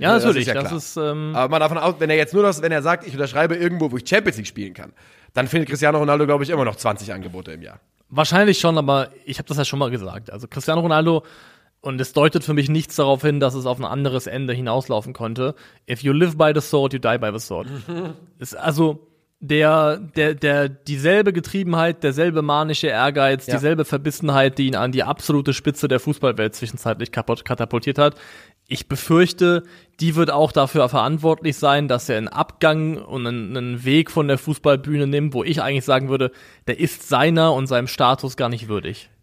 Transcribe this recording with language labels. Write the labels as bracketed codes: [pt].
[de] Ja, natürlich. Das ist ja klar. Aber mal davon aus, wenn er jetzt nur noch, wenn er sagt, ich unterschreibe irgendwo, wo ich Champions League spielen kann, dann findet Cristiano Ronaldo, glaube ich, immer noch 20 Angebote im Jahr. Wahrscheinlich schon, aber ich habe das ja schon mal gesagt. Also Cristiano Ronaldo, und es deutet für mich nichts darauf hin, dass es auf ein anderes Ende hinauslaufen konnte. [en] If you live by the sword, you die by the sword. [de] Ist also der dieselbe Getriebenheit, derselbe manische Ehrgeiz, ja, dieselbe Verbissenheit, die ihn an die absolute Spitze der Fußballwelt zwischenzeitlich katapultiert hat. Ich befürchte, die wird auch dafür verantwortlich sein, dass er einen Abgang und einen Weg von der Fußballbühne nimmt, wo ich eigentlich sagen würde, der ist seiner und seinem Status gar nicht würdig.